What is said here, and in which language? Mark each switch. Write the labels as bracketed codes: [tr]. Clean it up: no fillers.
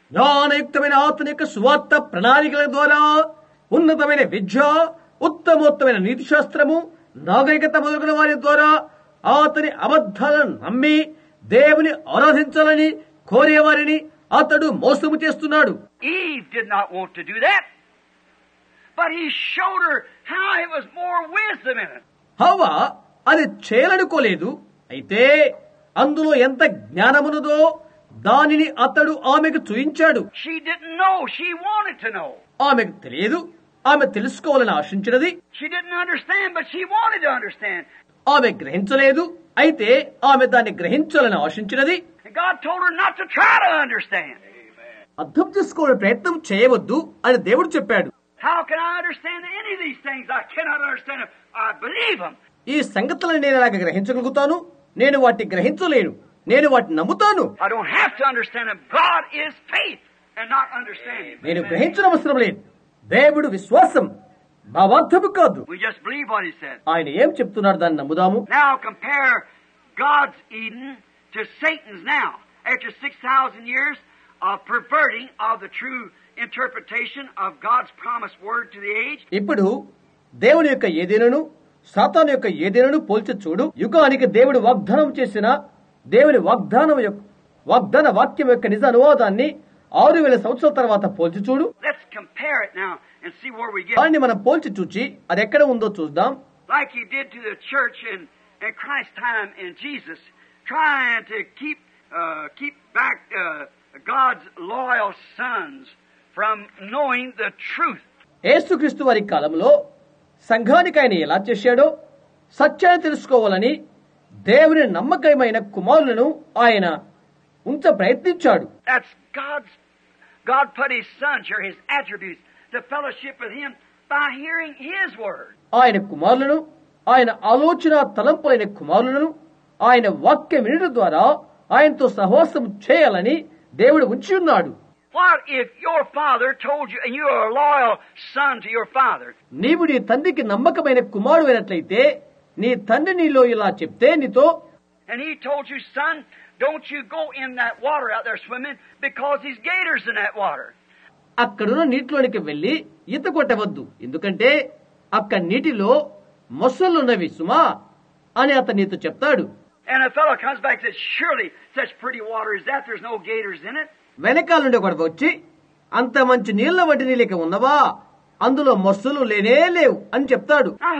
[te] జ్ఞానయుక్తమైన ఆత్మీయ సువార్త ప్రణాళికల ద్వారా ఉన్నతమైన విద్య, ఉత్తమోత్తమైన నీతి శాస్త్రము, నాగరికత మొదలైన వారి ద్వారా అతని అబద్ధాలను నమ్మి దేవుని ఆరాధించాలని కోరేవారిని అతడు మోసము చేస్తున్నాడు. [en] Eve did not want to do that, but he showed her how it was more wisdom in it. [te] హవ్వ అది చేయాలనుకోలేదు, అయితే అందులో ఎంత జ్ఞానమున్నదో దానిని అతడు ఆమెకు చూపించాడు. [en] She didn't know, she wanted to know. [te] ఆమెకు తెలియదు, ఆమె తెలుసుకోవాలని ఆశించినది. [en] She didn't understand, but she wanted to understand. [te] ఆమె గ్రహించలేదు, అయితే ఆమె దాన్ని గ్రహించాలని ఆశించినది. [en] God told her not to try to understand. [te] అర్థం చేసుకోవాలని ప్రయత్నం చేయవద్దు అని దేవుడు చెప్పాడు. [en] How can I understand any of these things? I cannot understand them. I believe them. [te] ఈ సంగతులను నేను ఎలా గ్రహించగలుగుతాను? నేను వాటిని గ్రహించలేను, నేను వాటిని నమ్ముతాను. [en] I don't have to understand them. God is faith and not understanding. [te] నేను గ్రహించడం అవసరం లేదు. దేవుడు విశ్వాసం, భావార్థము కాదు. [en] We just believe what he said. [te] ఆయన ఏం చెప్తున్నారు దాన్ని నమ్ముదాము. [en] Now compare God's Eden to Satan's now. After 6,000 years of perverting of the true interpretation of God's promised word to the age. [te] ఇప్పుడు దేవుని యొక్క ఏదేనను సాతాను యొక్క ఏదేనను పోల్చి చూడు. యుగానికి దేవుడు వాగ్దానం చేసిన దేవుని వాగ్దానం యొక్క వాగ్దాన వాక్యం యొక్క నిజ అనువాదాన్ని 6,000 సంవత్సరాల తర్వాత పోల్చి చూడు. [en] Let's compare it now and see where we get. [te] దాన్ని మనం పోల్చి చూచి అది ఎక్కడ ఉందో చూద్దాం. [en] Like he did to the church in Christ's time in Jesus, trying to keep back God's loyal sons from knowing the truth. [te] యేసుక్రీస్తు వారి కాలంలో సంఘానికి ఆయన ఎలా చేశాడో సత్యాన్ని తెలుసుకోవాలని దేవుని నమ్మకమైన కుమారులను ఆయన ఉంచ ప్రయత్నించాడు. [en] That's God put his sons or his attributes to fellowship with him by hearing his word. [te] ఆయన కుమారులను, ఆయన ఆలోచన తలంపులైన కుమారులను ఆయన వాక్యం వినడం ద్వారా ఆయనతో సహవాసం చేయాలని దేవుడు ఉంచి ఉన్నాడు. [en] What if your father told you and you are a loyal son to your father? [te] నీవు నీ తండ్రికి నమ్మకమైన కుమారుడవైనట్లయితే నీ తండ్రి నీలో ఇలా చెప్తే నీతో [en] And he told you, son, don't you go in that water out there swimming because these gators in that water. [te] అక్కడన నీటిలోకి వెళ్లి ఈత కొట్టవద్దు ఎందుకంటే అక్కడ నీటిలో మొసళ్ళు ఉన్నవి సుమా అని అతనితో చెప్తాడు. [en] And a fellow comes back and says, surely such pretty water is that, there's no gators in it. [te] వెనకాల నుండి ఒకడు వచ్చి అంత మంచి నీళ్ళ వంటి నీళ్ళకి ఉన్నవా అందులో మొసళ్ళు లేనే లేవు అని చెప్తాడు.